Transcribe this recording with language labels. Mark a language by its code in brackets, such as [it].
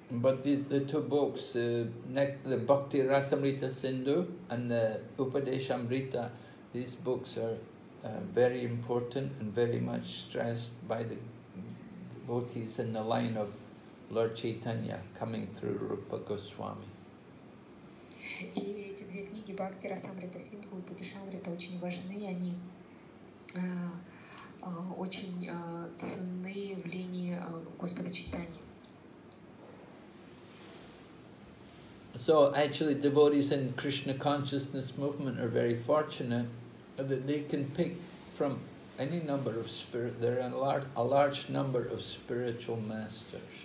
[en] But the two books, the Bhakti Rasamrita Sindhu and the Upadeshamrita, these books are very important and very much stressed by the devotees in the line of Lord Chaitanya coming through Rupa Goswami. [ru] И эти две книги, Бхакти Расамрита Синдху и Путешамрита, очень важны, они очень ценны в линии Господа Чайтаньи. [en] So, actually, devotees in Krishna Consciousness Movement are very fortunate that they can pick from any number of spirit, there are a large number of spiritual masters.